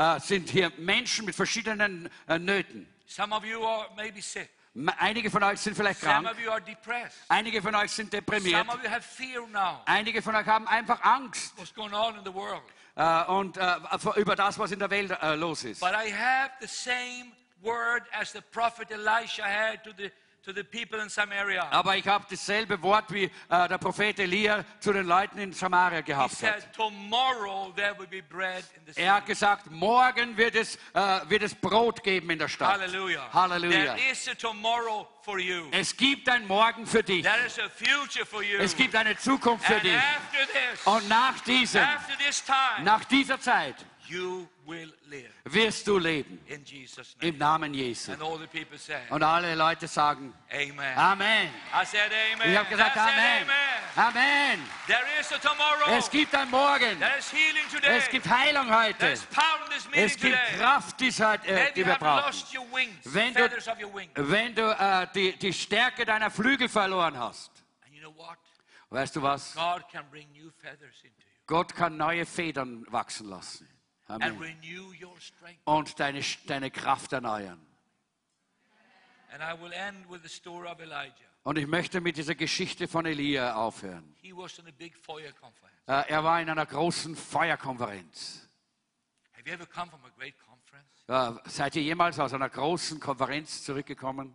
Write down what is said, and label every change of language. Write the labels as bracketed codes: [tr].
[de] Sind hier Menschen mit verschiedenen Nöten. [en] Some of you are maybe sick. [de] Einige von euch sind vielleicht krank. [en] Some of you are depressed. [de] Einige von euch sind deprimiert. [en] Some of you have fear now. [de] Einige von euch haben einfach Angst. [en] What's going on in the world? [de] Über das, was in der Welt los ist. [en] But I have the same word as the prophet Elisha had to the people in Samaria. [de] Aber ich habe dasselbe Wort wie der Prophet Elia zu den Leuten in Samaria gehabt. [en] He said, "Tomorrow there will be bread in the city." [de] Er hat gesagt, morgen wird es Brot geben in der Stadt. Hallelujah. Hallelujah. [en] There is a tomorrow for you. [de] Es gibt ein Morgen für dich. [en] There is a future for you. [de] Es gibt eine Zukunft für dich. [en] And after this, [de] und nach diesem, [en] after this time, [de] nach dieser Zeit, [en] you will live. [de] Wirst du leben. [en] In Jesus name. [de] Im Namen Jesu. [en] And all the people say. [de] Und alle Leute sagen. Amen. Amen. [en] I said amen. [de] Ich habe gesagt amen. Amen. [en] There is a tomorrow. [de] Es gibt ein Morgen. [en] There is healing today. [de] Es gibt Heilung heute. [en] There is power in this meeting [de] es gibt [en] today. [de] Kraft, die seit die wir brauchen. [en] Maybe you have lost your wings, feathers of your wings. [de] Wenn du die Stärke deiner Flügel verloren hast. [en] And you know what? [de] Weißt du was? [en] God can bring new feathers into you. [de] Gott kann neue Federn wachsen lassen. [en] Amen. And renew your strength. [de] Und deine Kraft erneuern. [en] And I will end with the story of Elijah. [de] Und ich möchte mit dieser Geschichte von Elia aufhören. [en] He was in a big fire conference. [de] Er war in einer großen Feuerkonferenz. [en] Have you ever come from a great conference? [de] Seid ihr jemals aus einer großen Konferenz zurückgekommen?